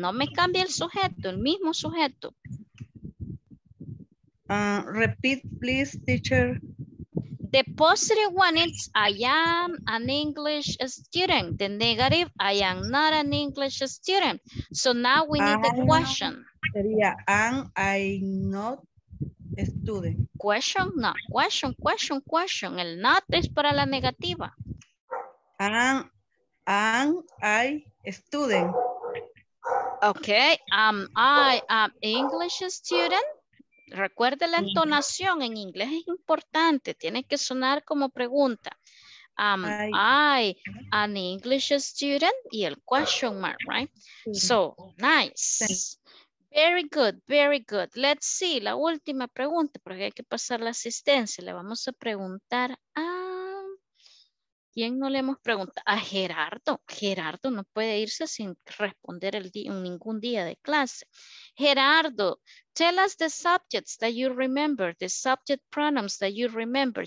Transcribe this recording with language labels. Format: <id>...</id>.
<es>No me cambie el sujeto, el mismo sujeto.</es> <en>Repeat, please, teacher. The positive one is I am an English student. The negative, I am not an English student. So now we need the question. Sería, am I not student. Question, not question, question, question.</en> <es>El not es para la negativa.</es> <en>Am I student? Okay, am I an English student?</en> <es>Recuerde la entonación en inglés, es importante, tiene que sonar como pregunta.</es> <en>Am I an English student? Y el question mark, right? So, nice. Very good, very good. Let's see,</en> <es>la última pregunta, porque hay que pasar la asistencia. Le vamos a preguntar a... ¿Quién no le hemos preguntado? A Gerardo. Gerardo no puede irse sin responder ningún día de clase.</es> <en>Gerardo, tell us the subjects that you remember, the subject pronouns that you remember.</en>